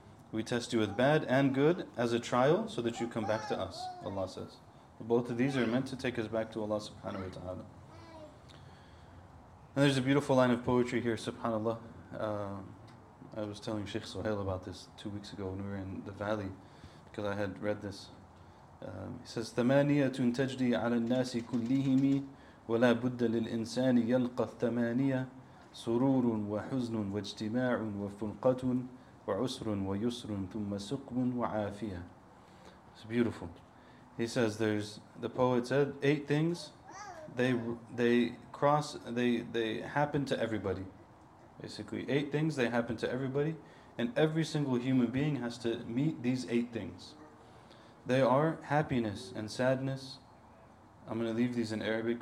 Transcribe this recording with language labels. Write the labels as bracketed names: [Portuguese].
[English] We test you with bad and good as a trial, so that you come back to us, Allah says. Both of these are meant to take us back to Allah subhanahu wa ta'ala. And there's a beautiful line of poetry here, subhanAllah. I was telling Sheikh Sohail about this 2 weeks ago when we were in the valley, because I had read this. He says, [Arabic] ثَمَانِيَةٌ تَجْدِي عَلَى النَّاسِ كُلِّهِمِ وَلَا بُدَّ لِلْإِنسَانِ يَلْقَ الثَّمَانِيَةِ سرور وحزن واجتماع وفنقة وعسر ويسر ثم سقم وعافية. [English] It's beautiful. He says, there's, the poet said, eight things, they happen to everybody. Basically, eight things, they happen to everybody, and every single human being has to meet these eight things. They are happiness and sadness. I'm going to leave these in Arabic.